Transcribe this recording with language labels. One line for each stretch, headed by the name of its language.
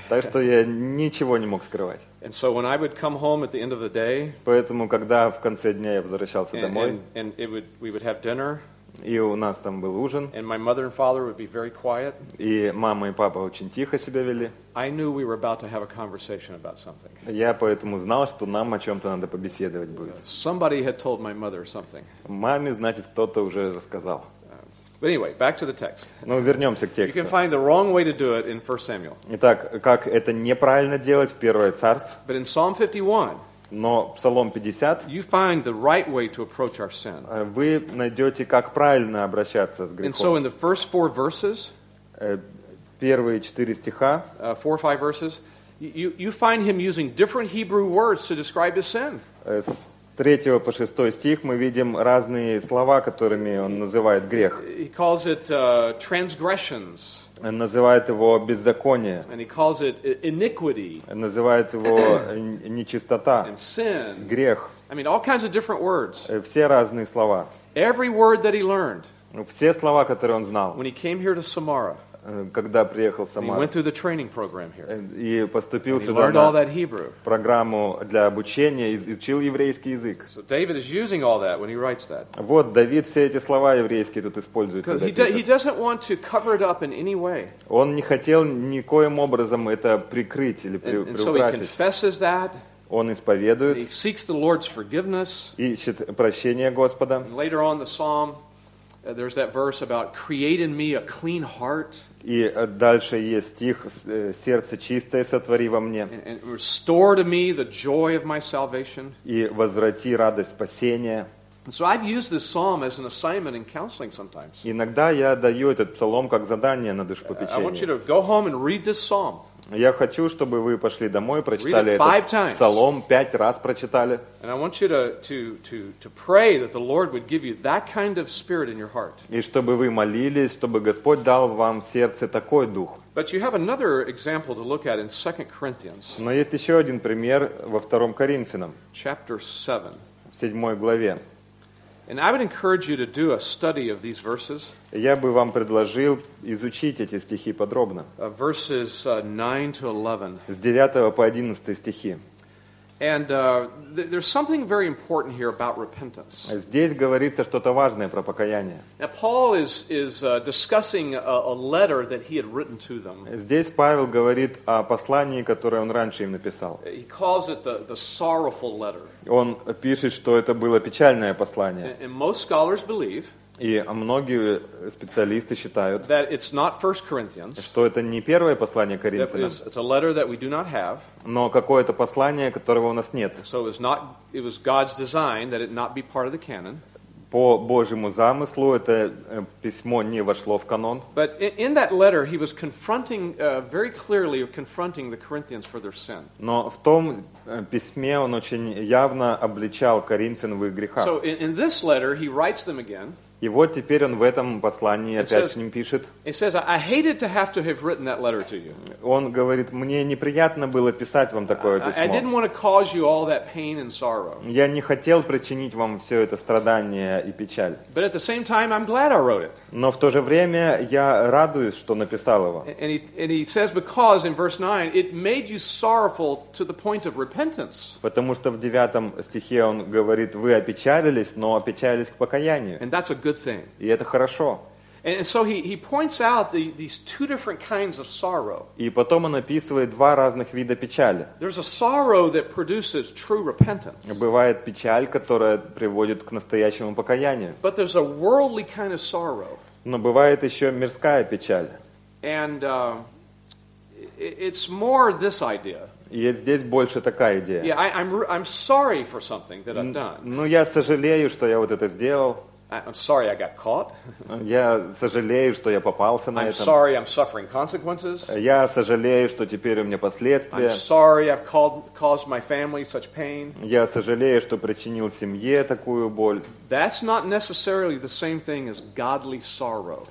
Russian: Так что я ничего не мог скрывать.
English: And so when I would come home at the end of the day,
Russian: поэтому когда в конце дня я возвращался домой,
English: and it would, we would have dinner,
Russian: и у нас там был ужин,
English: and my mother and father would be very quiet,
Russian: и мама и папа очень тихо себя вели,
English: I knew we were about to have a conversation about something.
Russian: Я поэтому знал, что нам о чем-то надо побеседовать будет.
English: Somebody had told my mother something.
Russian: Маме, значит, кто-то уже рассказал.
English: But anyway, back to the text.
Russian: Ну, вернемся к тексту.
English: You can find the wrong way to do it in 1 Samuel.
Russian: Итак, как это неправильно делать в Первое Царство?
English: But in Psalm 51,
Russian: но Псалом 50,
English: you find the right way to approach our sin.
Russian: Вы найдете, как правильно обращаться с грехом.
English: And so in the first four verses,
Russian: первые четыре стиха,
English: four or five verses, you find him using different Hebrew words to describe his sin.
Russian: С 3 по 6 стих мы видим разные слова, которыми он называет грех.
English: He calls it transgressions.
Russian: Он называет его беззаконие.
English: And he calls it iniquity.
Russian: Он называет его нечистота.
English: And sin.
Russian: Грех.
English: I mean, all kinds of different words.
Russian: Все разные слова.
English: Every word that he learned.
Russian: Все слова, которые он знал.
English: When he came here to Samara.
Russian: Когда приехал в Самару.
English: And he went through the training program here.
Russian: И поступил
English: and he learned all that Hebrew.
Russian: Сюда на программу для обучения, изучил еврейский язык.
English: So David is using all that when he writes that.
Russian: Вот Давид все эти слова еврейские тут использует, когда пишет.
English: He doesn't want to cover it up in any way.
Russian: Он не хотел никоим образом это прикрыть или приукрасить.
English: And so he confesses that.
Russian: Он исповедует.
English: He seeks the Lord's forgiveness.
Russian: Ищет прощения Господа.
English: And later on the psalm, there's that verse about creating me a clean heart.
Russian: И дальше есть стих: сердце чистое сотвори во мне.
English: And restore to me the joy of my salvation.
Russian: И возврати радость спасения.
English: So I've used this psalm as an assignment in counseling sometimes.
Russian: Иногда я даю этот псалом как задание на душепопечение.
English: I want you to go home and read this psalm.
Russian: Я хочу, чтобы вы пошли домой, прочитали этот псалом, пять раз прочитали.
English: And I want you to pray that the Lord would give you that kind of spirit in your heart.
Russian: И чтобы вы молились, чтобы Господь дал вам в сердце такой дух.
English: But you have another example to look at in 2 Corinthians.
Russian: Но есть еще один пример во 2 Коринфянам.
English: Chapter 7.
Russian: В 7 главе.
English: And I would encourage you to do a study of these verses.
Russian: Я бы вам предложил изучить эти стихи подробно.
English: Verses 9 to 11.
Russian: С 9 по 11 стихи.
English: And there's something very important here about repentance.
Russian: Здесь говорится что-то важное про покаяние.
English: Now Paul is discussing a letter that he had written to them.
Russian: Здесь Павел говорит о послании, которое он раньше им написал.
English: He calls it the sorrowful letter.
Russian: Он пишет, что это было печальное послание.
English: And most scholars believe.
Russian: И многие специалисты считают,
English: that it's not First Corinthians,
Russian: что это не первое послание Коринфянам, но какое-то послание, которого у нас нет.
English: So it was God's design that it not be part of the canon.
Russian: По Божьему замыслу это письмо не вошло в канон.
English: But in that letter he was confronting very clearly confronting the Corinthians for their sin.
Russian: Но в том письме он очень явно обличал Коринфян в их грехах.
English: So in this letter he writes them again.
Russian: И вот теперь он в этом послании опять к ним пишет.
English: I hated to have to have written that letter to you.
Russian: Он говорит, мне неприятно было писать вам такое письмо.
English: I didn't want to cause you all that pain and sorrow.
Russian: Я не хотел причинить вам все это страдание и печаль.
English: But at the same time, I'm glad I wrote it.
Russian: Но в то же время я радуюсь, что написал его.
English: And he says, because in verse 9, it made you sorrowful to the point of repentance.
Russian: Потому что в 9 стихе он говорит, вы опечалились, но опечалились к покаянию.
English: And that's a good thing.
Russian: И это хорошо.
English: And so he points out these two different kinds of sorrow.
Russian: И потом он описывает два разных вида печали.
English: There's a sorrow that produces true repentance.
Russian: Бывает печаль, которая приводит к настоящему покаянию.
English: But there's a worldly kind of sorrow.
Russian: Но бывает еще мирская печаль.
English: And it's more this idea.
Russian: И здесь больше такая идея.
English: Yeah, I'm sorry for something that I've done.
Russian: Ну я сожалею, что я вот это сделал.
English: I'm sorry I got caught.
Russian: Я сожалею, что я попался на этом.
English: I'm sorry I'm suffering consequences.
Russian: Я сожалею, что теперь у меня последствия.
English: I'm sorry I've caused my family such pain.
Russian: Я сожалею, что причинил семье такую боль.
English: That's not necessarily the same thing as godly sorrow.